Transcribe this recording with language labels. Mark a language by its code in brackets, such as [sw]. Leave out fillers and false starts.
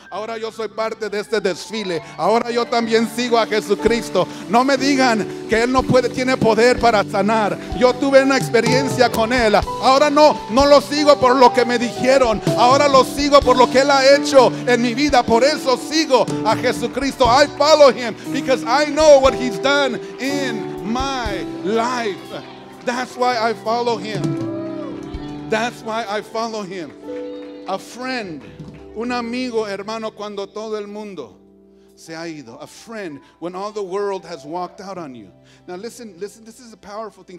[es] Ahora yo soy parte de este desfile. Ahora yo también sigo a Jesucristo. No me digan que Él no puede, tiene poder para sanar. Yo tuve una experiencia con Él. Ahora no, no lo sigo por lo que me dijeron. Ahora lo sigo por lo que Él ha hecho en mi vida. Por eso sigo a Jesucristo. [en] I follow Him because I know what He's done in my life. That's why I follow Him. That's why I follow Him. A friend, [es] un amigo, hermano, cuando todo el mundo se ha ido. [en] A friend, when all the world has walked out on you. Now listen, listen, this is a powerful thing.